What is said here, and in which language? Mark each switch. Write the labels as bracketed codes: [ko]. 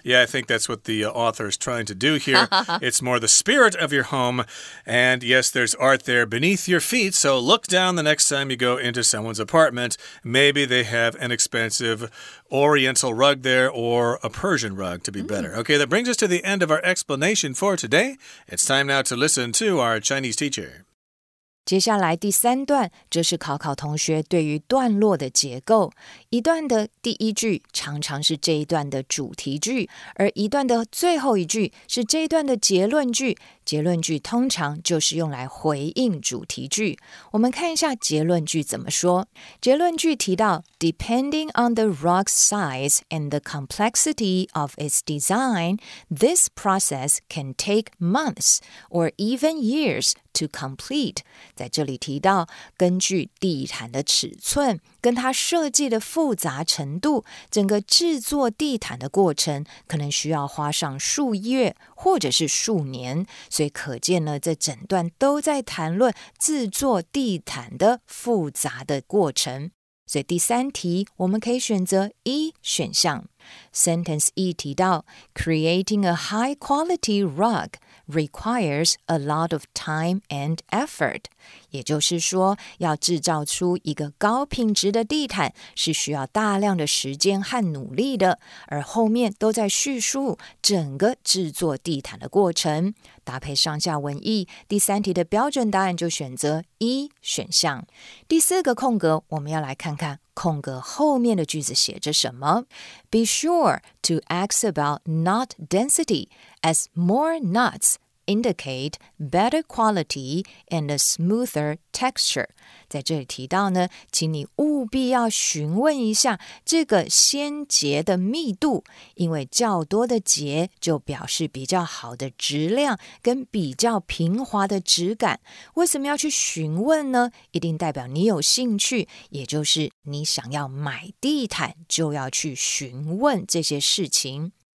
[en] Yeah, I think that's what the author is trying to do here. It's more the spirit of your home, and yes, there's art there beneath your feet, so look down the next time you go into someone's apartment. Maybe they have an expensive oriental rug there, or a Persian rug, to be better. Okay, that brings us to the end of our explanation for today. It's time now to listen to our Chinese teacher. [zh] 接下来第三段，这是考考同学对于段落的结构。一段的第一句常常是这一段的主题句，而一段的最后一句是这一段的结论句。结论句通常就是用来回应主题句。我们看一下结论句怎么说。结论句提到 [en] ,Depending on the rug's size and the complexity of its design, this process can take months or even years to complete， [zh] 在这里提到根据地毯的尺寸跟它设计的复杂程度，整个制作地毯的过程可能需要花上数月或者是数年，所以可见呢，这整段都在谈论制作地毯的复杂的过程。所以第三题我们可以选择一选项。 Sentence 一提到 [en] Creating a high quality rug requires a lot of time and effort， [zh] 也就是说要制造出一个高品质的地毯是需要大量的时间和努力的，而后面都在叙述整个制作地毯的过程。搭配上下文意，第三题的标准答案就选择一选项。第四个空格我们要来看看空格后面的句子写着什么。 [en] Be sure to ask about knot density as more knots indicate better quality and a smoother texture。 [zh] 在这里提到呢，请你务必要询问一下这个先结的密度，因为较多的结就表示比较好的质量跟比较平滑的质感。为什么要去询问呢？一定代表你有兴趣，也就是你想要买地毯就要去询问这些事情。